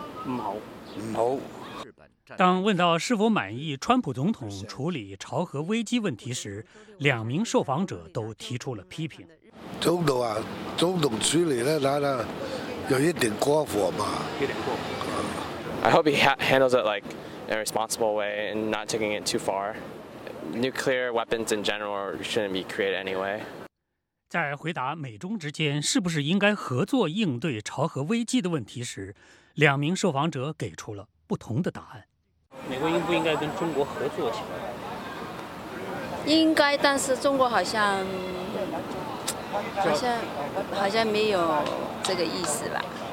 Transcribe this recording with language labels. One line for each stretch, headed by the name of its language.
Chinese: 唔好。当问到是否满意川普总统处理朝核危机问题时，两名受访者都提出了批评。总统啊，总统处理呢，那有一点过火嘛。
English: I hope he handles it like in a responsible way and not taking it too far. Nuclear weapons in general shouldn't be created anyway.
Chinese: 在回答美中之间是不是应该合作应对朝核危机的问题时，两名受访者给出了不同的答案。美国应不应该跟中国合作起来？应该，但是中国好像没有这个意思吧。